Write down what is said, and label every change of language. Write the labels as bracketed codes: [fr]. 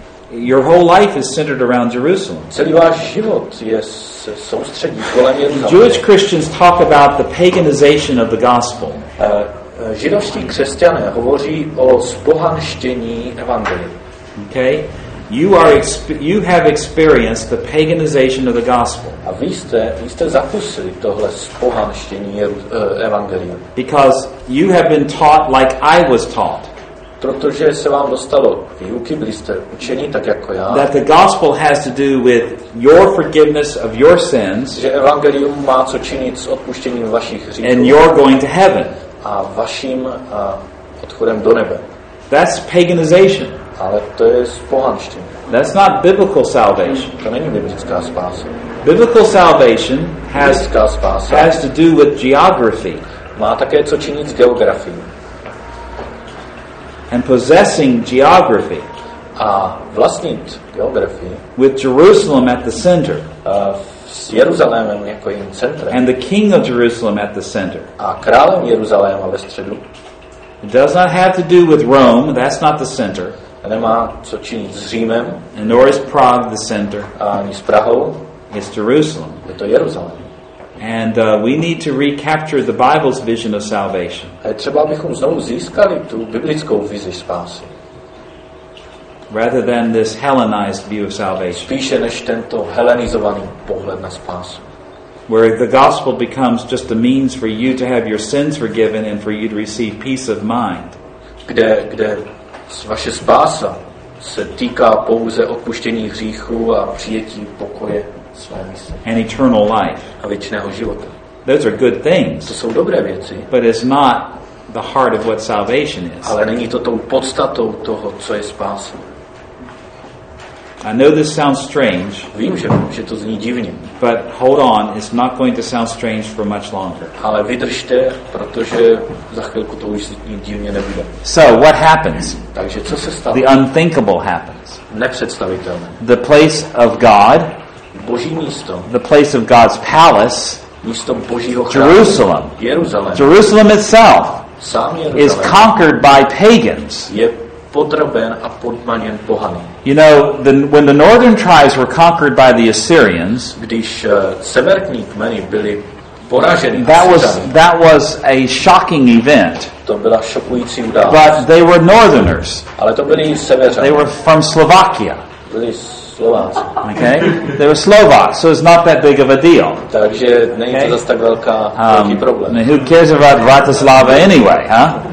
[en] Your whole life is centered around Jerusalem. [cs] Celý váš život je soustředí kolem Jeruzaléma. [en] Jewish Christians talk about the paganization of the gospel. [cs] Židovští křesťané hovoří o zpohanštění evangelia. [en] Okay. You have experienced the paganization of the gospel. [cs] A vy jste zakusili tohle zpohanštění evangelia. [en] Because you have been taught like I was taught. [cs] Protože se vám dostalo výuky, byli jste učeni tak jako já. [en] That the gospel has to do with your forgiveness of your sins. [cs] Že evangelium má co činit s odpuštěním vašich hříchů. [en] And you're going to heaven. [cs] A vaším odchodem do nebe. [en] That's paganization. [cs] Ale to je pohanštění. [en] That's not biblical salvation. [cs] To není biblická spása. [en] Biblical salvation has to do with geography. [cs] Má také co činit s geografií. [en] And possessing geography. [cs] A vlastnit geografii. [en] With Jerusalem at the center. [cs] S Jeruzalémem jako jejím centrem. [en] And the King of Jerusalem at the center. [cs] A králem Jeruzaléma ve středu. [en] It does not have to do with Rome. That's not the center. [cs] Nemá co činit s Římem. [en] And nor is Prague the center. [cs] Ani s Prahou. [en] It's Jerusalem. [cs] Je to Jeruzalém. [en] And we need to recapture the Bible's vision of salvation. [cs] A třeba bychom znovu získali tu biblickou vizi spásy. [en] rather than this Hellenized view of salvation. [cs] Spíše než tento helenizovaný pohled na spásu. [en] Where the gospel becomes just a means for you to have your sins forgiven and for you to receive peace of mind. [cs] Kde vaše spása se týká pouze odpuštění hříchů a přijetí pokoje své mysli. [en] An eternal life. [cs] A věčného života. [en] Those are good things. [cs] To jsou dobré věci. [en] But it's not the heart of what salvation is. [cs] Ale není to tou podstatou toho, co je spása. [en] I know this sounds strange. [cs] Vím, že to zní divně. [en] But hold on, it's not going to sound strange for much longer. [cs] Ale vydržte, protože za chvilku to už zní divně nebude. [en] So what happens? [cs] Takže co se stalo? [en] The unthinkable happens. [cs] Nepředstavitelné. [en] The place of God. [cs] Boží místo. [en] The place of God's palace. [cs] Místo Božího chrámu. [en] Jerusalem. [cs] Jeruzalém. [en] Jerusalem itself. [cs] Sám Jeruzalém. [en] Is conquered by pagans. [cs] Je podroben a podmaněn pohany. [en] You know, when the northern tribes were conquered by the Assyrians, [cs] když severní kmeny byly poraženy, [en] that was a shocking event. [cs] To byla šokující událost. [en] But they were northerners. [cs] Ale to byli Severané. [en] They were from Slovakia. [cs] Byli Slováci. [en] Okay? They were Slovaks, so it's not that big of a deal. [cs] Takže není to zas tak velký problém. [en] Who cares about Bratislava anyway, huh?